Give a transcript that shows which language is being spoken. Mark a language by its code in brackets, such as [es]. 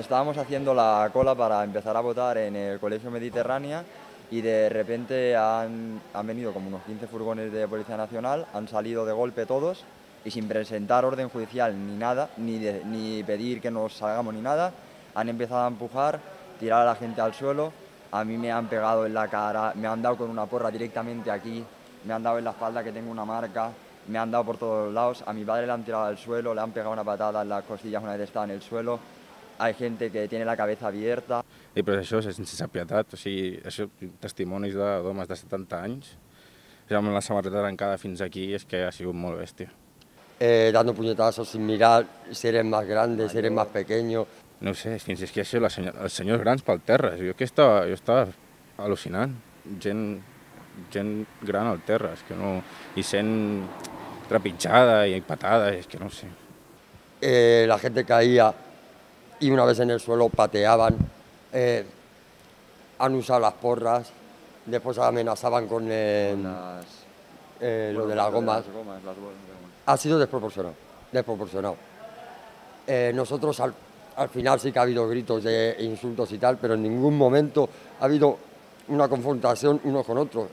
[es] Estábamos haciendo la cola para empezar a votar en el Colegio Mediterránea, y de repente han venido como unos 15 furgones de Policía Nacional, han salido de golpe todos y sin presentar orden judicial ni nada, ni pedir que nos salgamos ni nada, han empezado a empujar, tirar a la gente al suelo, a mí me han pegado en la cara, me han dado con una porra directamente aquí, me han dado en la espalda que tengo una marca, me han dado por todos lados. A mi padre le han tirado al suelo, le han pegado una patada en las costillas una vez estaba en el suelo. Hay gente que tiene la cabeza abierta. [ca] I però això és sense pietat, o sigui, això, testimonis d'homes de 70 anys, amb la samarreta trencada fins aquí, és que ha sigut molt bèstia. [es] Dando puñetazos sin mirar si eres más grande, si eres más pequeño. [ca] No sé, fins i tot això, els senyors grans pel terra, jo, que estava, jo estava al·lucinant, gent gran al terra, és que no, i sent trepitjada i patada, és que no sé. La gent [es] caía y una vez en el suelo pateaban, han usado las porras, después amenazaban con lo de las gomas. Ha sido desproporcionado, desproporcionado. Nosotros al final sí que ha habido gritos e insultos y tal, pero en ningún momento ha habido una confrontación unos con otros.